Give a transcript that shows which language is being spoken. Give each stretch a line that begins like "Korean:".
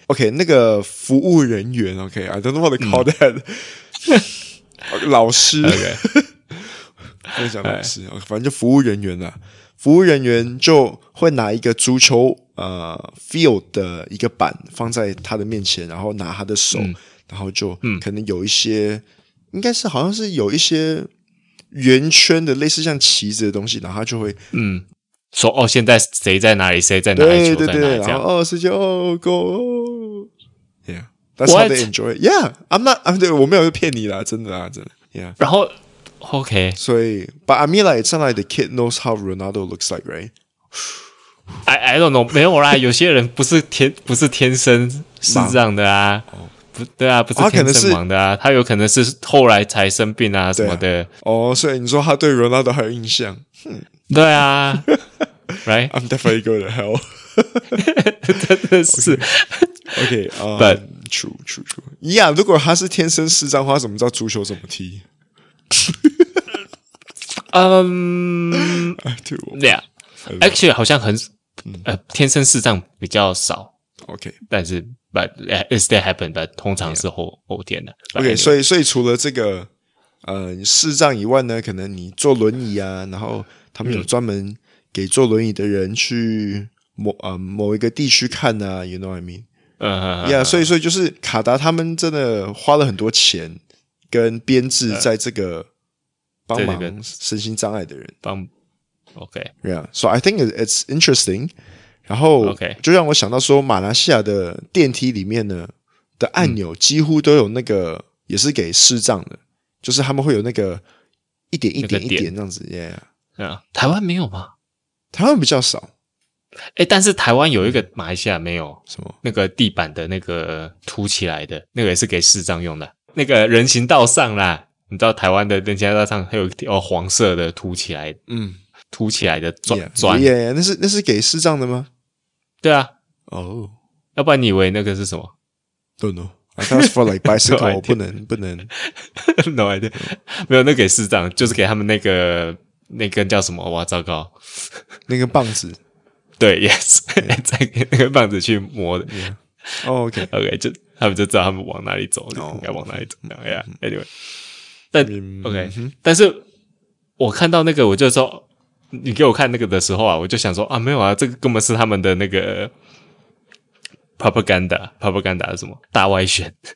English: OK,
Chinese: 那个服务人员
English: ,OK, I don't know how to call that.、嗯、
Chinese: 老师。
English: OK,
Chinese: 我在讲老师、哎。反正就服务人员啦。服务人员就会拿一个足球field 的一个板放在他的面前，然后拿他的手、嗯、然后就可能有一些、嗯、应该是好像是有一些圆圈的类似像旗子的东西，然后他就会说哦，现在谁在哪里？谁在哪里？球在哪里？对对对，这样哦，世界哦
English: ，Go, yeah, that's、 What? How they enjoy. Yeah, I'm not,
Chinese: 我没有骗你啦，真的啦，真的。
English: Yeah,
Chinese: 然后 OK,
English: 所以 But I mean, like, it's not like the kid knows how Ronaldo looks like, right? I don't know,
Chinese: 没有啦，有些人不是天生是这样的啊，不对啊，不是天生盲的啊，他有可能是后来才生病啊什么的。哦，所以你说他对 Ronaldo 还有印象？哼。对啊，Right?
English: I'm definitely going to hell.
Chinese: 真的是
English: okay, but true.
Chinese: Yeah, 如果他是天生视障的话，怎么知道足球怎么踢？
English: Yeah, actually
Chinese: 好像很天生视障比较少。
English: Okay,
Chinese: 但是
English: but it still happen, but
Chinese: 通常是后天的。
English: Okay, anyway.
Chinese: 所以除了这个视障以外呢，可能你坐轮椅啊，然后他们有专门给坐轮椅的人去某一个地区看啊 ，
English: You know what I mean？嗯、
Chinese: ，Yeah， 所以就是卡达他们真的花了很多钱跟编制在这个帮忙身心障碍的人
English: 帮。OK，Yeah，、 okay. So I think it's interesting。
Chinese: 然后
English: OK，
Chinese: 就让我想到说，马来西亚的电梯里面呢的按钮几乎都有那个也是给视障的，就是他们会有那个一点一点一点这样子 ，Yeah。
English: Yeah.
Chinese: 台湾没有吗？台湾比较少，欸，但是台湾有一个马来西亚没有什么那个地板的那个凸起来的那个也是给视障用的，那个人行道上啦，你知道台湾的人行道上还有一条黄色的凸起来，凸起来的砖
English: yeah, yeah,
Chinese: 那是给视障的吗？对啊，哦，要不然你以为那个是什么？
English: Don't know. I thought it was for like bicycle,
Chinese: 不能
English: No idea.
Chinese: 没有，那给视障，就是给他们那根叫什么？哇，糟糕！那根棒子，对 ，yes， 再、yeah. 给那根棒子去摸的。
English: Yeah. Oh, OK，OK，、
Chinese: okay. okay, 就他们就知道他们往哪里走， oh. 应该往哪里走。
English: Yeah, anyway，
Chinese: 但 OK，、但是我看到那个，我就说你给我看那个的时候啊，我就想说啊，没有啊，这个根本是他们的那个 propaganda 是什么大外宣。